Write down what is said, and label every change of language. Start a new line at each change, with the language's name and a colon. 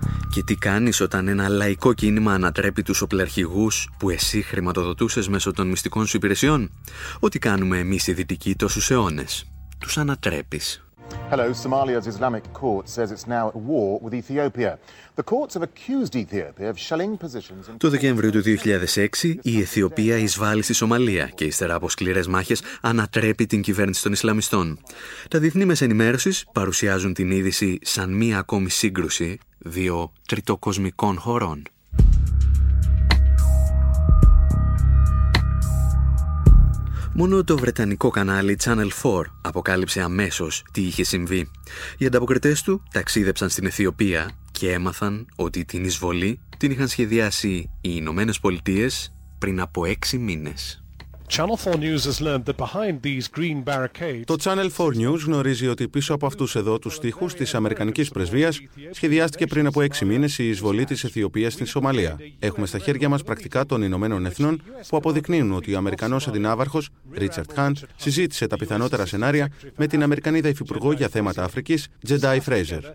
Greek: Και τι κάνεις όταν ένα λαϊκό κίνημα ανατρέπει τους οπλαρχηγούς που εσύ χρηματοδοτούσες μέσω των μυστικών σου υπηρεσιών? Ό,τι κάνουμε εμείς οι δυτικοί τόσους αιώνες. Τους ανατρέπεις.
English: Hello, Somalia's Islamic court says it's now at war with Ethiopia. The courts have accused Ethiopia of shelling positions.
Greek: Το Δεκέμβριο του 2006 η Αιθιοπία εισβάλλει στη Σομαλία και ύστερα από σκληρές μάχες ανατρέπει την κυβέρνηση των Ισλαμιστών. Τα διεθνή μέσα ενημέρωσης παρουσιάζουν την είδηση σαν μία ακόμη σύγκρουση δύο τριτοκοσμικών χωρών. Μόνο το βρετανικό κανάλι Channel 4 αποκάλυψε αμέσως τι είχε συμβεί. Οι ανταποκριτές του ταξίδεψαν στην Αιθιοπία και έμαθαν ότι την εισβολή την είχαν σχεδιάσει οι Ηνωμένες Πολιτείες πριν από 6 μήνες.
English: Channel 4 News has learned that behind these green barricades...
Greek: Το Channel 4 News γνωρίζει ότι πίσω από αυτούς εδώ τους στίχους της Αμερικανικής Πρεσβείας σχεδιάστηκε πριν από 6 μήνες η εισβολή της Αιθιοπίας στην Σομαλία. Έχουμε στα χέρια μας πρακτικά των Ηνωμένων Εθνών που αποδεικνύουν ότι ο Αμερικανός Αντιναύαρχος, Ρίτσαρντ Χαντ, συζήτησε τα πιθανότερα σενάρια με την Αμερικανίδα Υφυπουργό για θέματα Αφρικής, Τζεντάι Φρέιζερ.